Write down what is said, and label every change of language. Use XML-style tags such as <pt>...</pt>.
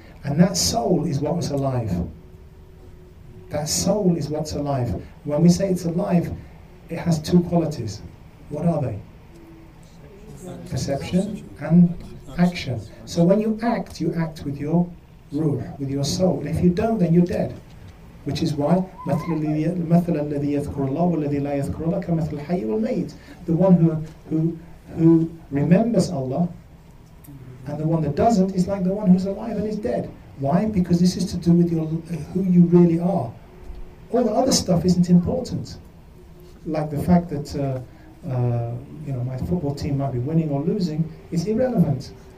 <en>And that soul is what was alive. That soul is what's alive. When we say it's alive, it has two qualities. What are they? Perception and action. So when you act with your ruh, with your soul. And if you don't, then you're dead. Which is why</en> <ar>مثل الذي يذكر الله والذي لا يذكر الله كمثل الحي والميت.</ar> <en>The one who remembers Allah and the one that doesn't is like the one who's alive and is dead. Why? Because this is to do with your who you really are. All the other stuff isn't important. Like the fact that my football team might be winning or losing is irrelevant.</en>